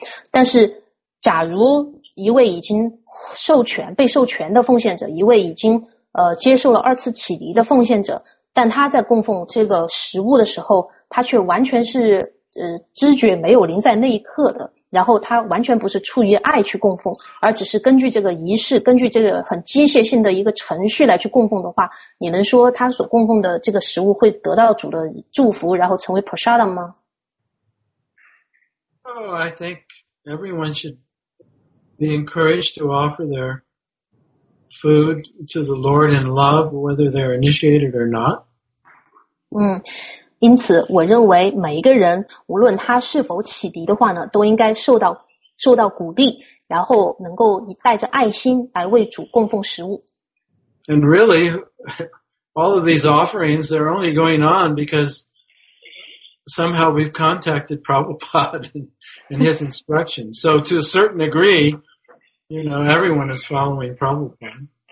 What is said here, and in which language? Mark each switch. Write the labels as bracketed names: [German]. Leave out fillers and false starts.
[Chinese] 但是假如一位已经授权被授权的奉献者，一位已经接受了二次启迪的奉献者，但他在供奉这个食物的时候，他却完全是知觉没有临在那一刻的，然后他完全不是出于爱去供奉，而只是根据这个仪式，根据这个很机械性的一个程序来去供奉的话，你能说他所供奉的这个食物会得到主的祝福，然后成为 prasadam 吗？ [English] Oh, I think everyone should be encouraged to offer their food to the Lord in love, whether they're initiated or not. [Chinese] 因此我认为每一个人无论他是否启迪的话呢，都应该受到鼓励，然后能够带着爱心来为主供奉食物。 [English] And really, all of these offerings are only going on because somehow we've contacted Prabhupada and his instructions. So to a certain degree, you know, everyone is following Prabhupada.